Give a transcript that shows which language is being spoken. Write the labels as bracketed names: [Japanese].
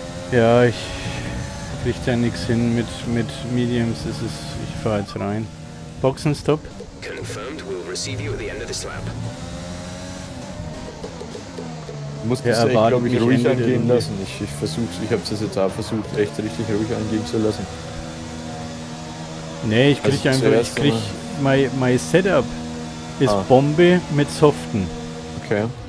[German] Ja, ich krieg da nichts hin mit Mediums. Es ist, ich fahr jetzt rein. Boxenstopp. [English] Confirmed, we'll receive you at the end of the slab. [German] Muss das echt, glaube ich, ruhig angehen lassen. Ich hab's das jetzt auch versucht, echt richtig ruhig angehen zu lassen. Nee, ich krieg also einfach, ich krieg, mein Setup ist Bombe mit Soften. Okay.